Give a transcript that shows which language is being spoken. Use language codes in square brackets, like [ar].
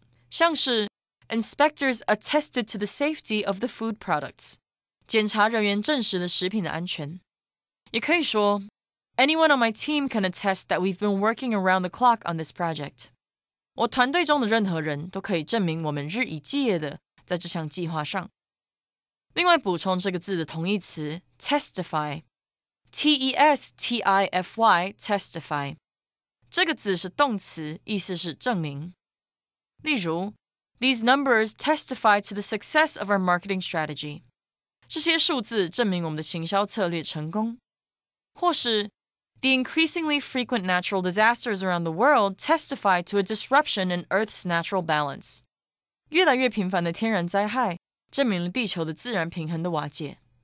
[zh] 像是 [en] Inspectors attested to the safety of the food products. [zh] 检查人员证实了食品的安全。也可以说 [en] Anyone on my team can attest that we've been working around the clock on this project. [zh] 我团队中的任何人都可以证明我们日以继夜的在这项计划上。另外补充这个字的同义词 testify。T-E-S-T-I-F-Y, testify. 这个字是动词，意思是证明。例如 [en] These numbers testify to the success of our marketing strategy. [zh] 这些数字证明我们的行销策略成功。或是 [en] The increasingly frequent natural disasters around the world testify to a disruption in Earth's natural balance. [zh] 越来越频繁的天然灾害证明了地球的自然平衡的瓦解。